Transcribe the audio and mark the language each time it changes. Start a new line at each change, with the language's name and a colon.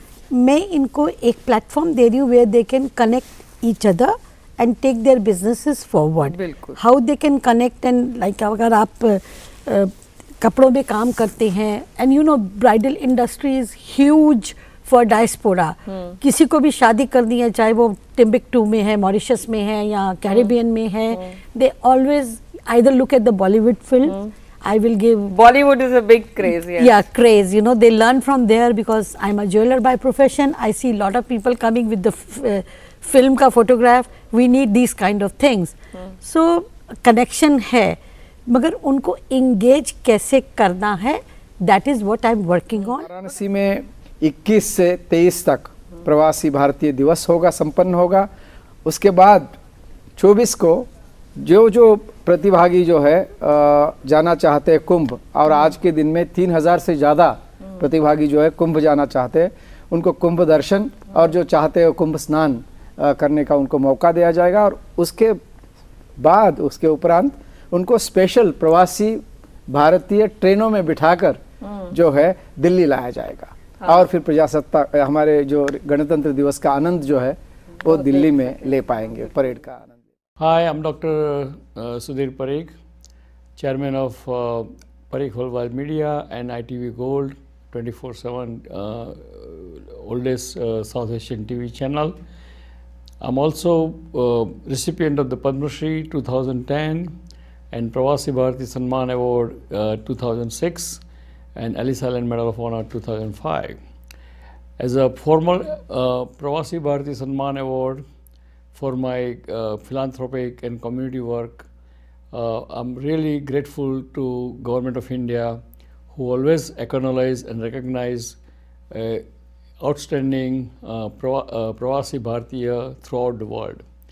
Hindi: Main inko ek platform de rahi hu
English: where they can connect each other and take their businesses forward.
Hindi: बिल्कुल.
English: How they can connect and like
Hindi: अगर आप कपड़ों में काम करते हैं
English: and you know bridal industry is huge for diaspora.
Hindi: किसी को भी शादी करनी है, चाहे वो टिम्बिकटू में है, मॉरिशस में है या कैरेबियन में है,
English: they always either look at the Bollywood film. I will give Bollywood is a big craze. Yes. Yeah, craze. You know, they learn from there because I'm a jeweler by profession. I see a lot of people coming with the film का photograph. We need these kind of things. So connection है,
Hindi: मगर उनको engage कैसे करना है,
English: that is what I'm working on.
Hindi: Varanasi में 21 से 23 तक प्रवासी भारतीय दिवस होगा, संपन्न होगा। उसके बाद 24 को जो जो प्रतिभागी जो है जाना चाहते हैं कुंभ, और आज के दिन में 3000 से ज़्यादा प्रतिभागी जो है कुंभ जाना चाहते हैं, उनको कुंभ दर्शन और जो चाहते हैं कुंभ स्नान करने का उनको मौका दिया जाएगा। और उसके बाद, उसके उपरांत उनको स्पेशल प्रवासी भारतीय ट्रेनों में बिठाकर जो है दिल्ली लाया जाएगा। हाँ। और फिर प्रजासत्ता, हमारे जो गणतंत्र दिवस का आनंद जो है वो दिल्ली में ले पाएंगे, परेड का आनंद।
English: Hi, I am doctor Sudhir Parikh, chairman of Parikh worldwide media and ITV gold 24/7 oldest South Asian TV channel. I'm also recipient of the Padma Shri 2010 and Pravasi Bharati Sanman Award 2006 and Ellis Island Medal of Honor 2005. As a formal Pravasi Bharati Sanman Award for my philanthropic and community work, I'm really grateful to Government of India, who always acknowledge and recognize outstanding Pravasi Bhartiya throughout the world.